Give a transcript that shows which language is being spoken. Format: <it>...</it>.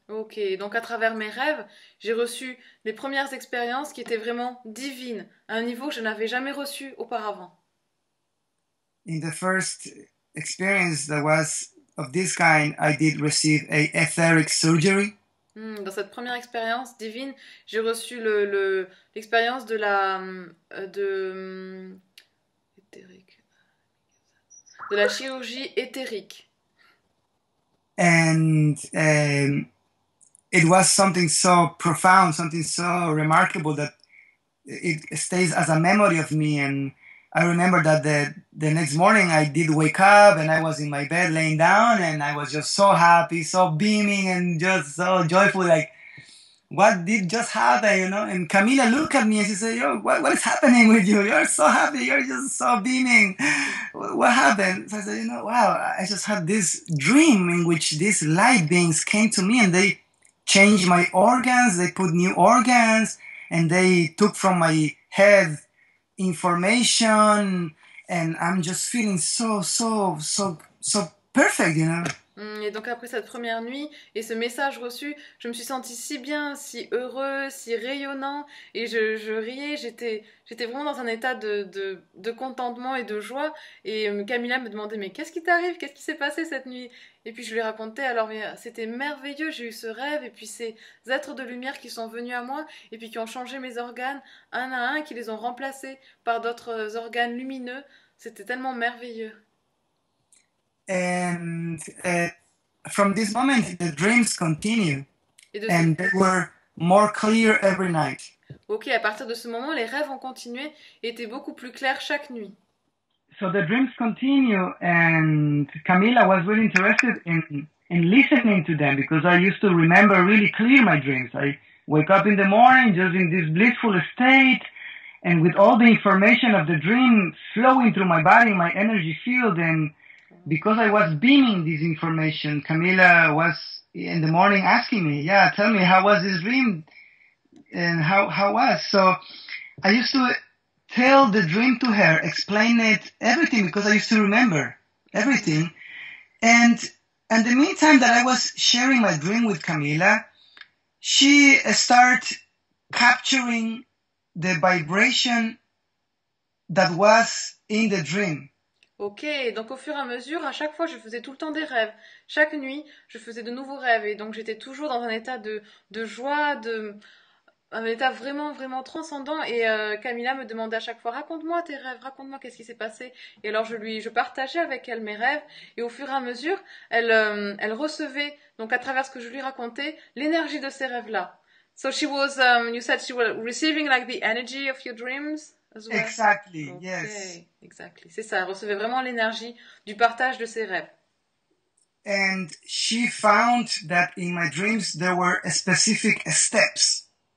<fr>Ok, donc à travers mes rêves, j'ai reçu les premières expériences qui étaient vraiment divines, à un niveau que je n'avais jamais reçu auparavant.</fr> <en>In the first experience that was of this kind, I did receive a etheric surgery.</en> <fr>Dans cette première expérience divine, j'ai reçu l'expérience de la de la chirurgie éthérique.</fr> <en>And it was something so profound, something so remarkable that it stays as a memory of me. And I remember that the next morning I did wake up and I was in my bed laying down and I was just so happy, so beaming and just so joyful, like, what did just happen, And Camila looked at me and she said, yo, what is happening with you? You're so happy, you're just so beaming. What happened? So I said, wow, I just had this dream in which these light beings came to me and they changed my organs, they put new organs, and they took from my head information, and I'm just feeling so perfect,</en> <fr>Et donc après cette première nuit et ce message reçu, je me suis sentie si bien, si heureuse, si rayonnant, et je riais, j'étais vraiment dans un état de contentement et de joie. Et Camilla me demandait, mais qu'est-ce qui t'arrive? Qu'est-ce qui s'est passé cette nuit? Et puis je lui racontais, alors c'était merveilleux, j'ai eu ce rêve, et puis ces êtres de lumière qui sont venus à moi, et puis qui ont changé mes organes un à un, qui les ont remplacés par d'autres organes lumineux, c'était tellement merveilleux.</fr> <en>From this moment, the dreams continue</en> <fr>Et de ce</fr> <en>and they were more clear every night.</en> <fr>Ok, à partir de ce moment, les rêves ont continué et étaient beaucoup plus clairs chaque nuit.</fr> <en>So the dreams continue, and Camila was really interested in listening to them because I used to remember really clear my dreams. I wake up in the morning just in this blissful state, and with all the information of the dream flowing through my body, my energy field, and because I was beaming this information, Camila was in the morning asking me, yeah, tell me, how was this dream? And how was? So I used to tell the dream to her, explain it, everything, because I used to remember everything. And the meantime that I was sharing my dream with Camila, she started capturing the vibration that was in the dream.</en> <fr>Ok, donc au fur et à mesure, à chaque fois, je faisais tout le temps des rêves. Chaque nuit, je faisais de nouveaux rêves. Et donc j'étais toujours dans un état de joie, un état vraiment, vraiment transcendant. Et Camilla me demandait à chaque fois, raconte-moi tes rêves, raconte-moi qu'est-ce qui s'est passé. Et alors je partageais avec elle mes rêves. Et au fur et à mesure, elle recevait, donc à travers ce que je lui racontais, l'énergie de ces rêves-là.</fr> <en>So she was, you said she was receiving like the energy of your dreams as well. Exactly, Ok, yes. exactly.</en> <fr>C'est ça, elle recevait vraiment l'énergie du partage de ses rêves.</fr> <en>And she found that in my dreams there were specific steps.</en>